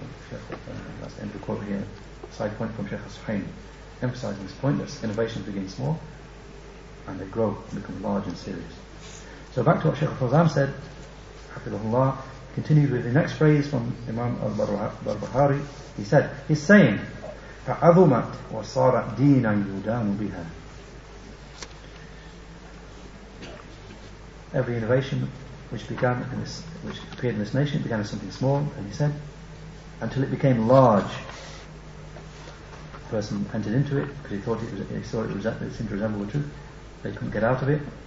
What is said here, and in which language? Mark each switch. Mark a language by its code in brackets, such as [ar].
[en] So, that's the end of the quote here. Side point from Shaykh Al-Suhaim, emphasizing this point that innovations begin small and they grow and become large and serious. So back to what Shaykh Al-Fawzan said, Hafidhullah, continued with the next phrase from Imam Al-Barbahari. He said, he's saying, [ar] فَعَظُمَتْ وَصَارَتْ دِينًا يُدَانُ بِهَا. [en] Every innovation which appeared in this nation, it began as something small, and he said, until it became large. The person entered into it because he thought it seemed to resemble the truth. They couldn't get out of it.